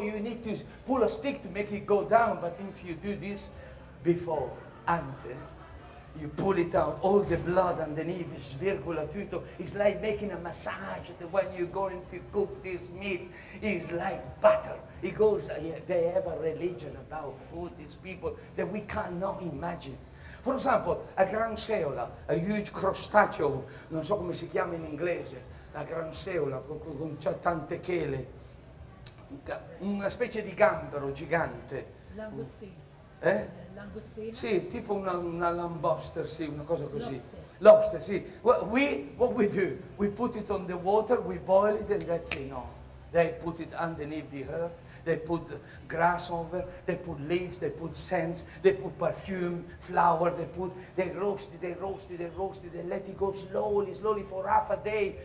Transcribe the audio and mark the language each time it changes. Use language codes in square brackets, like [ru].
[en] You need to pull a stick to make it go down. But if you do this before, and you pull it out, all the blood underneath is [it] virgula tutto. [en] It's like making a massage. That when you're going to cook this meat, it's like butter. It goes, they have a religion about food, these people, that we cannot imagine. For example, a gran seola, a huge [it] crostaceo, non so come si chiama in inglese, la gran seola, con tante chele, una specie di gambero gigante. [es] Langostino. Eh? Langostino? [it] Sì, tipo una lambster, sì, una cosa così. Lobster, sì. [en] What we do, we put it on the water, we boil it, and that's it, no. They put it underneath the earth. They put grass over, they put leaves, they put scents, they put perfume, flour, they roast it, they let it go slowly, slowly for half a day.